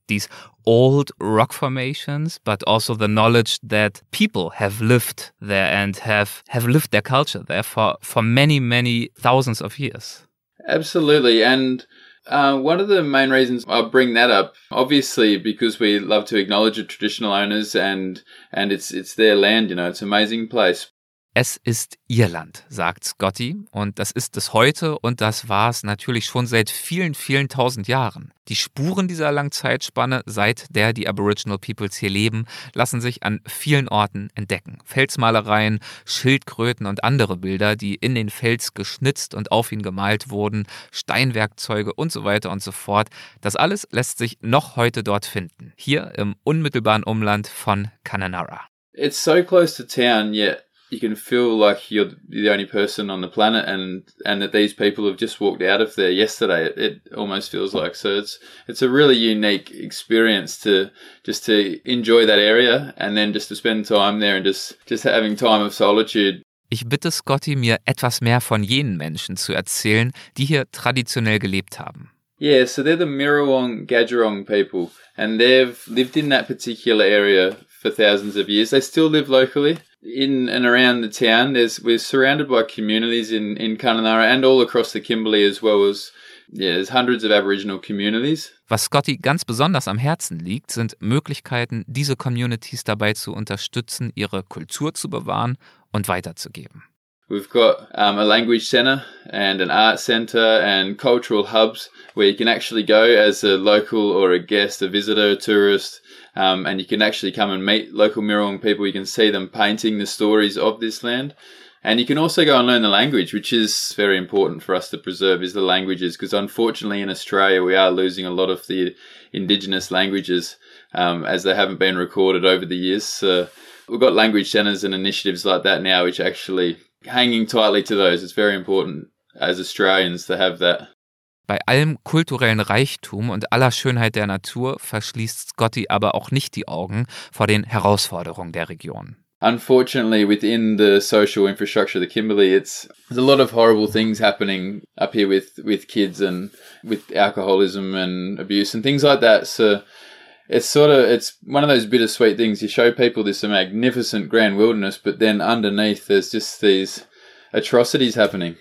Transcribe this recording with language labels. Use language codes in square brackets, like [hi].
[en] These old rock formations, but also the knowledge that people have lived there and have lived their culture there for many, many thousands of years. Absolutely. And one of the main reasons I bring that up, obviously, because we love to acknowledge the traditional owners and it's their land, you know, it's an amazing place. [de] Es ist ihr Land, sagt Scotty, und das ist es heute und das war es natürlich schon seit vielen, vielen tausend Jahren. Die Spuren dieser Langzeitspanne, seit der die Aboriginal Peoples hier leben, lassen sich an vielen Orten entdecken. Felsmalereien, Schildkröten und andere Bilder, die in den Fels geschnitzt und auf ihn gemalt wurden, Steinwerkzeuge und so weiter und so fort, das alles lässt sich noch heute dort finden, hier im unmittelbaren Umland von Kununurra. [en] It's so close to town, yeah. You can feel like you're the only person on the planet, and that these people have just walked out of there yesterday. It almost feels like. So it's a really unique experience to enjoy that area and then just to spend time there and just having time of solitude. [de] Ich bitte Scotty, mir etwas mehr von jenen Menschen zu erzählen, die hier traditionell gelebt haben. [en] Yeah, so they're the Mirrawong Gadjarong people, and they've lived in that particular area for thousands of years. They still live locally. In and around the town, we're surrounded by communities in Kununurra and all across the Kimberley as well as, yeah, there's hundreds of Aboriginal communities. [de] Was Scotty ganz besonders am Herzen liegt, sind Möglichkeiten, diese Communities dabei zu unterstützen, ihre Kultur zu bewahren und weiterzugeben. [en] We've got a language center and an art center and cultural hubs where you can actually go as a local or a guest, a visitor, a tourist, and you can actually come and meet local Mirrawong people. You can see them painting the stories of this land. And you can also go and learn the language, which is very important for us to preserve, is the languages, because unfortunately in Australia we are losing a lot of the indigenous languages as they haven't been recorded over the years. So we've got language centers and initiatives like that now, which actually hanging tightly to those. It's very important as Australians to have that. [de] Bei allem kulturellen Reichtum und aller Schönheit der Natur verschließt Scotty aber auch nicht die Augen vor den Herausforderungen der Region. [en] Unfortunately, within the social infrastructure of the Kimberley, there's a lot of horrible things happening up here with kids and with alcoholism and abuse and things like that. So it's one of those bittersweet things. You show people this magnificent grand wilderness, but then underneath there's just these atrocities happening.